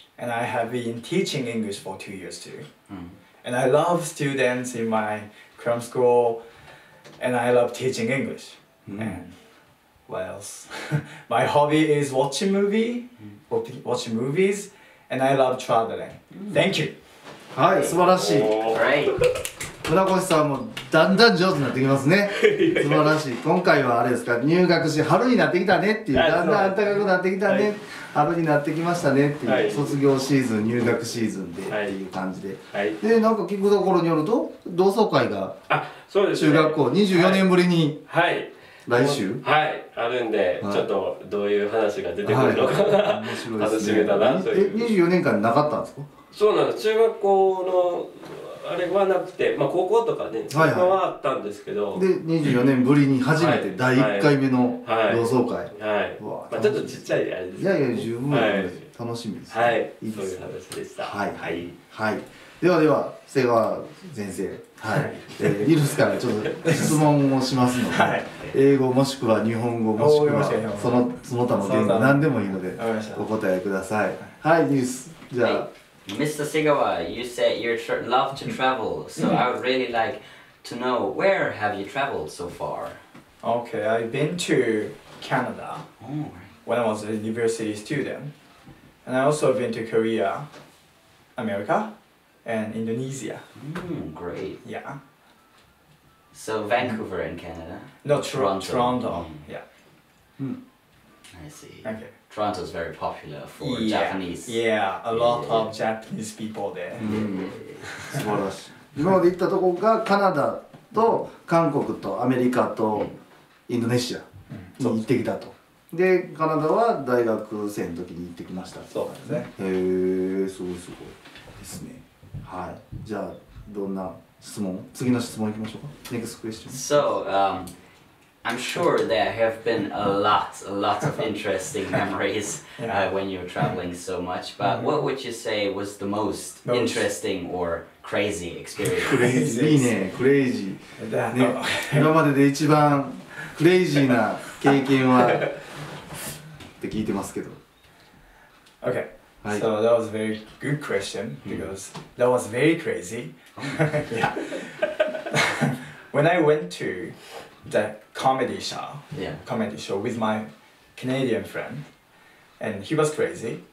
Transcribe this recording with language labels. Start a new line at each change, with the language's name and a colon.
English: And I have been teaching English for 2 years too. And I love students in my cram school, and I love teaching English. And what else? My hobby is watching movies, and I love traveling. Thank you.
Japanese: はい、素晴らしい。
English: Great.
Japanese: 船越さんもだんだん上手になってきますね。素晴らしい。今回はあれですか、入学し春になってきたねっていう、だんだん暖かくなってきたね、春になってきましたねっていう、卒業シーズン、入学シーズンでっていう感じで、はい、で、なんか聞くところによると同窓会が、あ、そうですね、中学校24年ぶりに、はい、はい、来週、はい、あるんで、はい、ちょっとどういう話が出てくるのかな、はい、面白いですね、楽しみだな、そういう、え、24年間なかったんですか。そうなの、中学校のあれはなくて、まあ高校とかね、はいはい、そこはあったんですけど、で、24年ぶりに初めて、はい、第1回目の同窓会、はい、はい、わ、まあ、ちょっとちっちゃいあれですけど、いやいや、十分、はい、楽しみです、はい、いいです、そういう話でした、はい、はい、はい、ではでは、瀬川先生、はい、ニルスからちょっと質問をしますので、はい、英語もしくは日本語もしくはその他の言語、何でもいいのでお答えください。はい、ニルス、じゃあ、はい、
English: Mr. Segawa, you said you love to travel, so I would really like to know, where have you traveled so far? Okay, I've been to Canada when I was a university student, and I also been to Korea, America, and Indonesia. Great. Yeah. So Vancouver in Canada? No, Toronto. Toronto, yeah. I see. Okay. Toronto's very popular for Japanese. Yeah, a lot of Japanese people there.
Japanese: 素晴らしい。今まで行ったとこがカナダと韓国とアメリカとインドネシアに行ってきたと。で、カナダは大学生の時に行ってきました。そうですね。へー、すごいところですね。はい。じゃあどんな質問？次の質問いきましょうか。
English: Next question. So, I'm sure there have been a lot of interesting memories when you were traveling so much. But what would you say was the most interesting or crazy experience? Crazy.
Japanese: いいね。Crazy. ね。今までで一番クレイジーな経験はって聞いてますけど。
English: Okay. So that was a very good question because that was very crazy. When I went to the comedy show with my Canadian friend, and he was crazy.